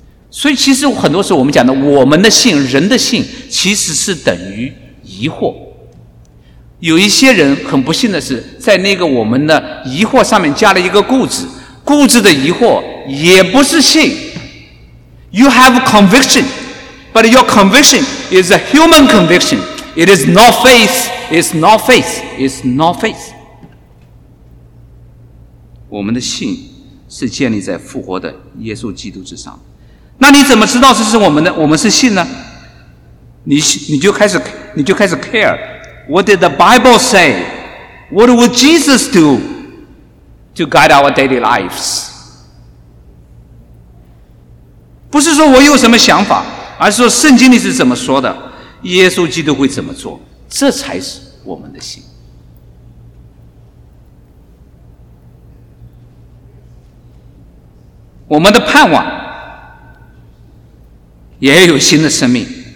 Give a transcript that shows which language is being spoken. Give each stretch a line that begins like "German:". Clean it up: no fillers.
Chinese: 所以其实很多时候我们讲的我们的信、人的信，其实是等于疑惑。有一些人很不幸的是在那个我们的疑惑上面加了一个固执，固执的疑惑也不是信。
English: You have conviction, but your conviction is a human conviction. It is not faith, it's not faith, it's not faith.
Chinese: 我们的信是建立在复活的耶稣基督之上。那你怎么知道这是我们是信呢？你就开始
English: care. What did the Bible say? What would Jesus do to guide our daily lives?
Chinese: 不是说我有什么想法，而是说圣经里是怎么说的，耶稣基督会怎么做，这才是我们的信。我们的盼望也有新的生命。